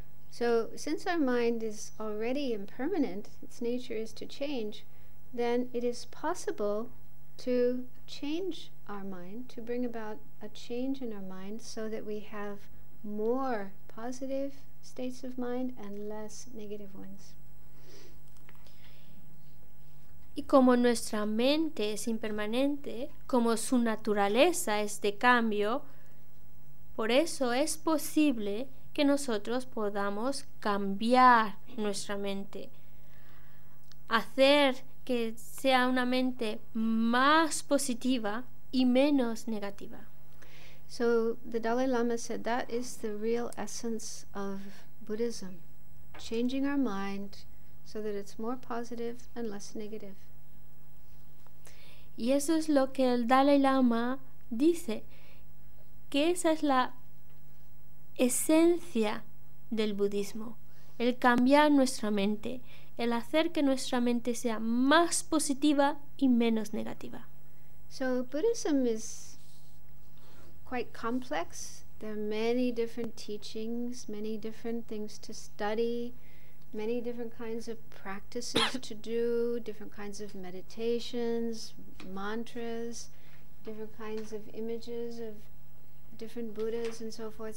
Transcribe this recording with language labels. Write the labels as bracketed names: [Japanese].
[English] So, since our mind is already impermanent, its nature is to change, then it is possible to change our mind, to bring about a change in our mind so that we have more positive states of mind and less negative ones. [Spanish] Y como nuestra mente es impermanente, como su naturaleza es de cambio, por eso es posible que nosotros podamos cambiar nuestra mente, hacer que sea una mente más positiva y menos negativa. [English] So the Dalai Lama said that is the real essence of Buddhism, changing our mind so that it's more positive and less negative. [Spanish] Y eso es lo que el Dalai Lama dice, que esa es la esencia del budismo, el cambiar nuestra mente, el hacer que nuestra mente sea más positiva y menos negativa. [English] So Buddhism is quite complex. There are many different teachings, many different things to study, many different kinds of practices to do, different kinds of meditations, mantras, different kinds of images of different Buddhas and so forth.